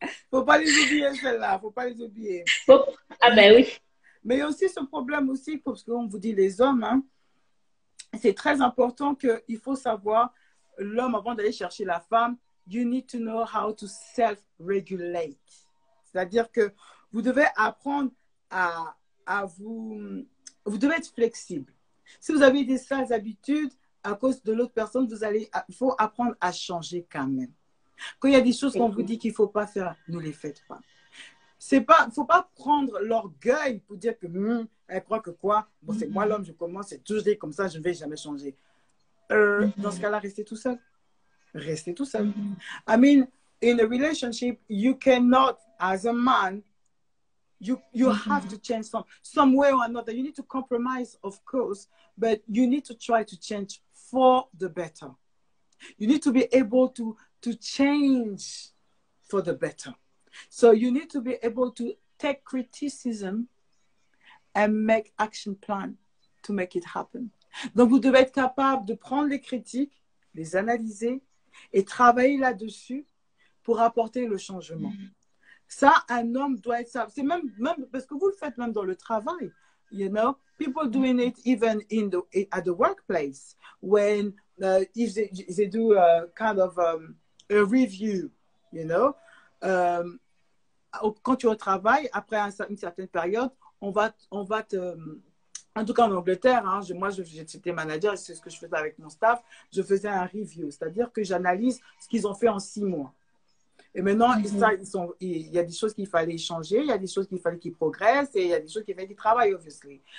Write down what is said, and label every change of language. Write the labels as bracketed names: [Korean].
[French] Faut pas les oublier celle-là, faut pas les oublier. Ah ben oui. Mais aussi ce problème aussi, parce qu'on vous dit les hommes, hein, c'est très important que il faut savoir l'homme avant d'aller chercher la femme. [English] You need to know how to self-regulate. [French] C'est-à-dire que vous devez apprendre vous devez être flexible. Si vous avez des sales habitudes à cause de l'autre personne, faut apprendre à changer quand même. Quand il y a des choses qu'on vous dit qu'il ne faut pas faire, ne les faites pas. Il ne faut pas prendre l'orgueil pour dire que elle croit que quoi, bon, c'est moi l'homme, je commence, c'est toujours comme ça, je ne vais jamais changer. Dans ce cas-là, restez tout seul. Mm-hmm. [English] I mean, in a relationship, you cannot, as a man, you mm-hmm. have to change some way or another. You need to compromise, of course, but you need to try to change for the better. You need to be able to change for the better. So you need to be able to take criticism and make action plan to make it happen. [French] Donc vous devez être capable de prendre les critiques, les analyser et travailler là-dessus pour apporter le changement. Ça, un homme doit être ça. C'est même parce que vous le faites même dans le travail. [English] You know, people doing it even at the workplace when if they do a kind of a review, you know. [French] Quand tu es au travail, après une certaine période, on va te... En tout cas, en Angleterre, hein, j'étais manager, c'est ce que je faisais avec mon staff, je faisais un review, c'est-à-dire que j'analyse ce qu'ils ont fait en 6 mois. Et maintenant, il y a des choses qu'il fallait changer, il y a des choses qu'il fallait qu'ils progressent, et il y a des choses qu'il fallait qu'ils travaillent, obviously.